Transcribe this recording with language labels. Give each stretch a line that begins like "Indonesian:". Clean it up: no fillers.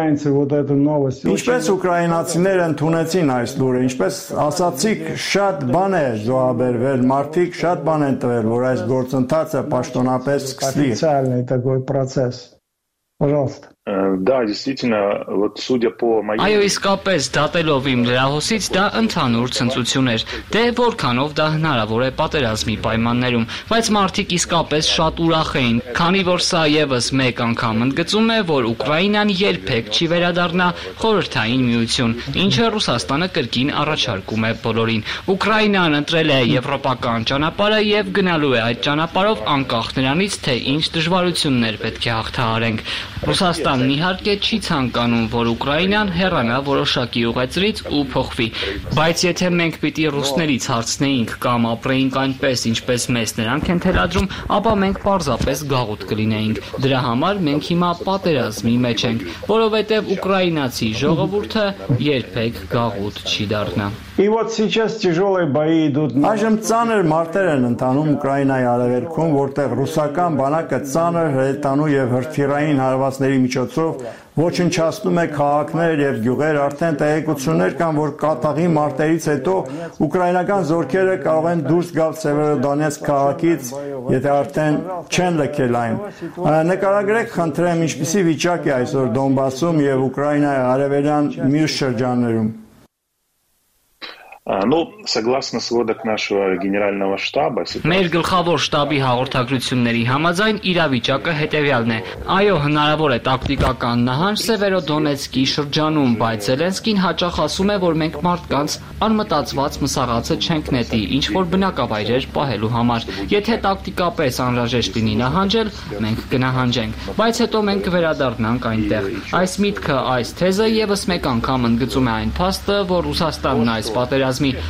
Armenian: Ինչպես ուկրաինացիները ընդունեցին այս լուրը, ինչպես ասացիք, շատ բան է զոհաբերվել, մարդիկ շատ բան են տվել, որ այս գործընթացը պաշտոնապես սկսվի։
Russian: Да, действительно, вот судя по моей
Armenian: Այո, իսկապես, դատելով իմ լրահոսից, դա ընդհանուր ցնցություն էր, դե որքանով դա հնարավոր է պատերազմի պայմաններում, բայց մարդիկ իսկապես շատ ուրախ էին, քանի որ սա եւս մեկ անգամ ընդգծում է, որ Ուկրաինան երբեք չի վերադառնա խորհրդային միություն, ինչը Ռուսաստանը կրկին առաջարկում է բոլորին։ Ուկրաինան ընտրել է եվրոպական ճանապարհը եւ գնալու է այդ ճանապարհով անկախ նրանից, թե ինչ դժվարություններ պետք է հաղթահարենք։ Ռուսաստանն իհարկե չի ցանկանում, որ Ուկրաինան հեռանա որոշակի ուղեծրից ու փոխվի, բայց եթե մենք պիտի ռուսներից հարցնեինք կամ ապրեինք այնպես, ինչպես մեզ նրանք են թելադրում, ապա մենք պարզապես գաղութ կլինեինք։ Դրա համար մենք հիմա պատերազմի մեջ ենք, որովհետև ուկրաինացի ժողովուրդը երբեք գաղութ չի դառնա։
Russian: И вот сейчас тяжёлые бои идут.
Armenian: Այժմ ցաներ մարտեր են ընդանում Ուկրաինայի արևելքում, որտեղ ռուսական բանակը ցաներ հրետանու եւ հրթիռային հարվածների միջոցով ոչնչացնում է քաղաքներ եւ գյուղեր, արդեն տեղեկություններ կան, որ կատաղի մարտերից հետո ուկրաինական զորքերը կարող են դուրս գալ Սևերոդոնեցկ քաղաքից, եթե արդեն չեն լքել այն։ Նկարագրեք, խնդրեմ, ինչպիսի վիճակ է այսօր Դոնբասում եւ Ուկրաինայի արևելյան մյուս շրջաններում։
Russian: Ну, согласно сводок нашего генерального штаба,
Armenian: Մեր գլխավոր штаբի հաղորդագրությունների համաձայն իրավիճակը հետևյալն է։ Այո, հնարավոր է տակտիկական նահանջ Սևերոդոնեցկի շրջանում, բայց Զելենսկին հաճախ ասում է, որ մենք մարդկանց անմտածված մսաղացը չենք նետի, ինչ որ բնակավայրեր պահելու համար։ Եթե տակտիկապես անհրաժեշտ լինի նահանջել, մենք կնահանջենք, բայց հետո մենք վերադառնանք այնտեղ։ Այս միտքը, այս թեզը եւս մեկ անգամ ընդգծում է այն փաստը, որ Ռուսաստանն այս պատերազմի